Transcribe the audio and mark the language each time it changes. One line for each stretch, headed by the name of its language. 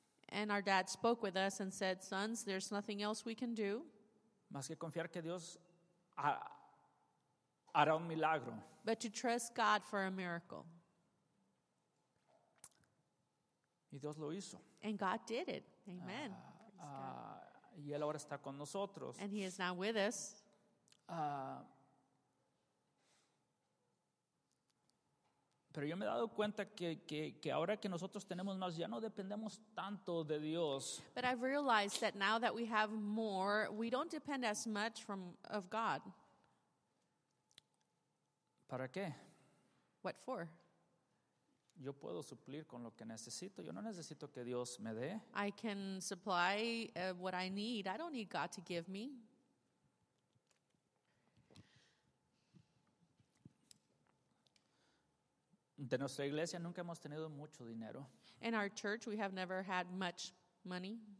English: And our dad spoke with us and said, sons, there's nothing else we can do.
Spanish: Más que confiar que Dios hará un milagro.
English: But to trust God for a miracle.
Spanish: Y Dios lo hizo.
English: And God did it. Amen.
Spanish: Y él ahora está con nosotros.
English: And he is now with us.
Spanish: Pero yo me he dado cuenta que ahora que nosotros tenemos más, ya no dependemos tanto de Dios.
English: But I've realized that now that we have more, we don't depend as much of God.
Spanish: ¿Para qué?
English: What for?
Spanish: Yo puedo suplir con lo que necesito. Yo no necesito que Dios me dé.
English: I can supply what I need. I don't need God to give me.
Spanish: De nuestra iglesia nunca hemos tenido mucho dinero.
English: In our church we have never had much money.